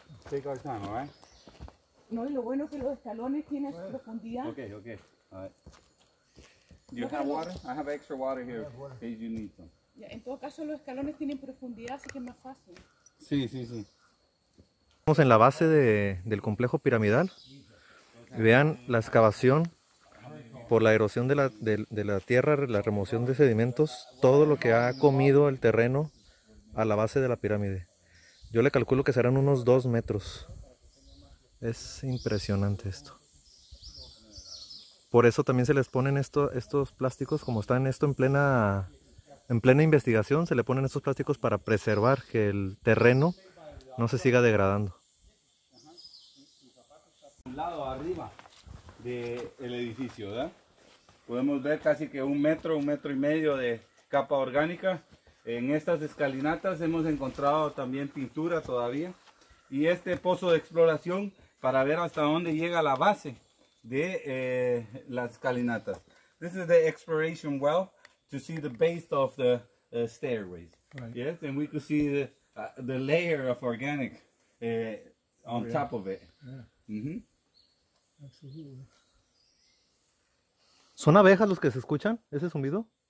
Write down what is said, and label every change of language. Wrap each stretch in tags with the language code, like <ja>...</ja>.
<en>Take our time, alright?</en> <es>No, y lo bueno es que los escalones tienen su profundidad.</es> <en>Okay, alright. Do you have water? I have extra water here in case you need some.</en> <es>En todo caso, los escalones tienen profundidad, así que es más fácil. Sí. Estamos en la base del complejo piramidal. Vean la excavación por la erosión de la tierra, la remoción de sedimentos, todo lo que ha comido el terreno a la base de la pirámide. Yo le calculo que serán unos 2 metros. Es impresionante esto. Por eso también se les ponen estos plásticos, como están esto en plena... En plena investigación se le ponen estos plásticos para preservar que el terreno no se siga degradando. Un lado arriba del edificio, ¿verdad? Podemos ver casi que un metro y medio de capa orgánica. En estas escalinatas hemos encontrado también pintura todavía. Y este pozo de exploración para ver hasta dónde llega la base de las escalinatas.</es> <en>This is the exploration well. To see the base of the stairways, right. Yes, and we could see the layer of organic on top of it. Yeah.</en> <es>¿Son abejas los que se escuchan ese zumbido?</es>